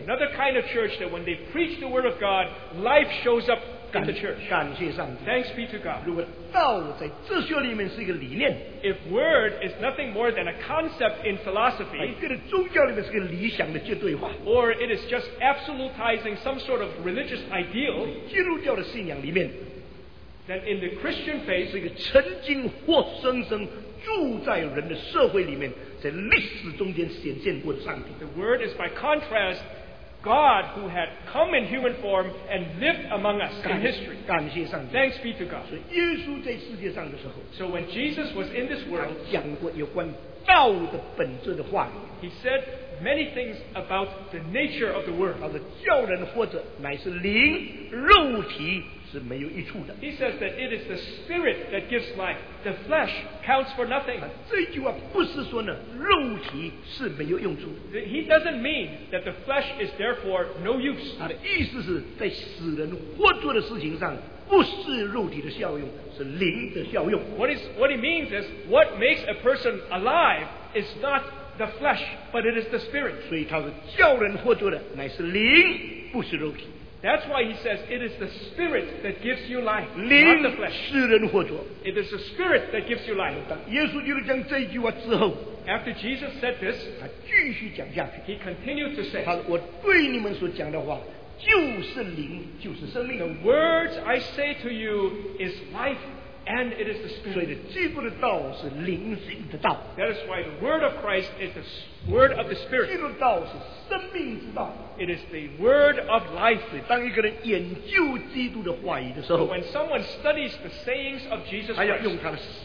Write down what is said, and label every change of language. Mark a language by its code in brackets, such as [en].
[en] another kind of church that when they preach the word of God, life shows up in the church. [zh] 感谢上帝, [en] thanks be to God. [zh] 如果道在哲学里面是一个理念, [en] if word is nothing more than a concept in philosophy, [zh] 跟宗教里面是个理想的绝对话, [en] or it is just absolutizing some sort of religious ideal, [zh] 基督教的信仰里面, [en] then in the Christian faith, [zh] 是一个曾经活生生, 住在人的社会里面, 在历史中间显现过的上帝, [en] the word is by contrast God who had come in human form and lived among us in history. [zh] 感谢上帝, [en] thanks be to God. [zh] 所以耶稣在世界上的时候, [en] so when Jesus was in this world, [zh] 他讲过有关道的本质的话语, [en] he said many things about the nature of the word. [zh] 叫人活着乃是灵, 肉体, [en] he says that it is the spirit that gives life. The flesh counts for nothing. [zh] 这句话不是说呢,肉体是没有用处。 [en] He doesn't mean that the flesh is therefore no use. [zh] 他的意思是在死人活着的事情上, 不是肉体的效用, 是灵的效用。 [en] What he means is, what makes a person alive is not the flesh, but it is the spirit. [zh] 所以他是叫人活着的,乃是灵,不是肉体。 [en] That's why he says it is the spirit that gives you life, [zh] 灵, [en] not the flesh. [zh] 使人活着, [en] it is the spirit that gives you life. [zh] 耶稣就讲这句话之后, [en] after Jesus said this, [zh] 他继续讲下去, [en] he continued to say, [zh] 他说我对你们所讲的话, 就是灵, 就是生命, [en] the words I say to you is life and it is the spirit. [zh] 所以基督的道是灵性的道, [en] that is why the word of Christ is the word of the spirit. [zh] 基督道是生命之道, [en] it is the word of life. [zh] 当一个人研究基督的话语的时候, [en] so when someone studies the sayings of Jesus Christ,